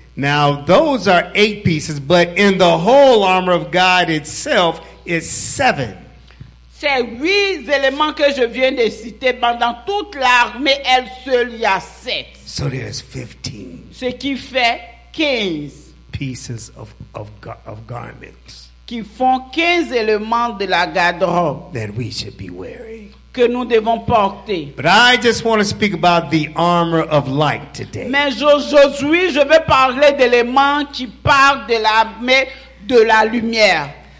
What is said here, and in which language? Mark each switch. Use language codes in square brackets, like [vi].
[en] Now, those are 8 pieces, but in the whole armor of God itself is 7. [fr] Ces 8 éléments que je viens de citer, pendant toute l'armée, elle seule, il y a 7. [en] So there is 15. [fr] Ce qui fait 15. [en] Pieces of garments. [fr] Qui font 15 éléments de la garde-robe. [en] That we should be wearing. [fr] Que nous devons porter. [en] But I just want to speak about the armor of light today. [fr] Mais aujourd'hui, je vais parler d'éléments qui parlent de l'armée de la lumière.